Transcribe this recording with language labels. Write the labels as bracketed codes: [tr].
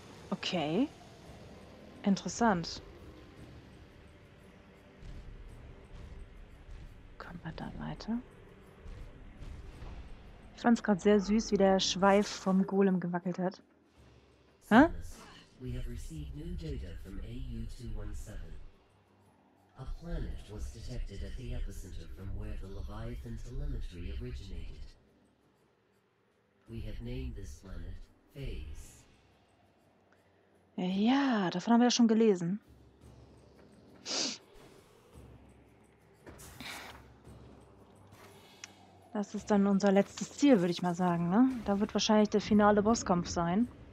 [de] Okay. Interessant. Kommen wir dann weiter. Ich fand es gerade sehr süß, wie der Schweif vom Golem gewackelt hat. Hä? [en] We have received new data from AU-217. A planet was detected at the epicenter from where the Leviathan telemetry originated. We have named this planet Phase. [de] Ja, davon haben wir ja schon gelesen. Das ist dann unser letztes Ziel, würde ich mal sagen, ne? Da wird wahrscheinlich der finale Bosskampf sein.